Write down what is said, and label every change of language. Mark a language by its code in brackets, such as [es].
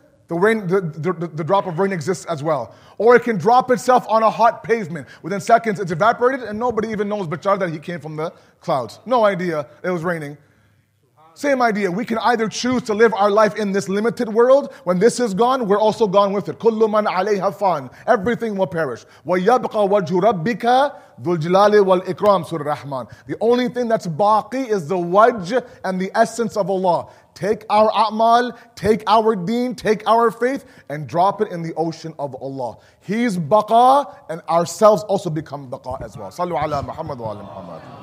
[en] The rain, the drop of rain exists as well. Or it can drop itself on a hot pavement. Within seconds, it's evaporated and nobody even knows Bachar that he came from the clouds. No idea. It was raining. Same idea. We can either choose to live our life in this limited world. When this is gone, we're also gone with it. [ar] كُلُّ مَنْ عَلَيْهَا فَانْ. [en] Everything will perish. [ar] وَيَبْقَى وَجْهُ رَبِّكَ ذُو الْجِلَالِ وَالْإِكْرَامِ Surah Rahman. [en] The only thing that's baqi is the wajh and the essence of Allah. Take our a'mal, take our deen, take our faith, and drop it in the ocean of Allah. He's baqa, and ourselves also become baqa as well. [ar] Sallu ala Muhammad wa ala Muhammad.